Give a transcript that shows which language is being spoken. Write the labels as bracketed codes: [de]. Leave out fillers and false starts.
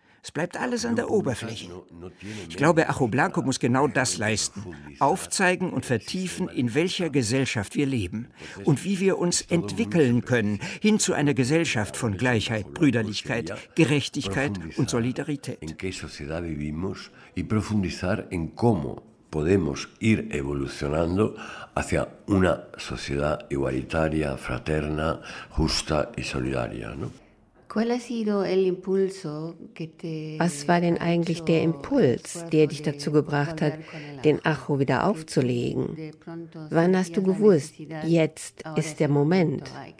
[de] Es bleibt alles an der Oberfläche. Ich glaube, Ajo Blanco muss genau das leisten, aufzeigen und vertiefen, in welcher Gesellschaft wir leben und wie wir uns entwickeln können hin zu einer Gesellschaft von Gleichheit, Brüderlichkeit, Gerechtigkeit und Solidarität. In welcher Gesellschaft wir leben und [es] profundizar en cómo podemos ir evolucionando hacia una sociedad igualitaria, fraterna, justa y solidaria, ¿no? [de] Was war denn eigentlich der Impuls, der dich dazu gebracht hat, den Ajo wieder aufzulegen? Wann hast du gewusst, jetzt ist der Moment?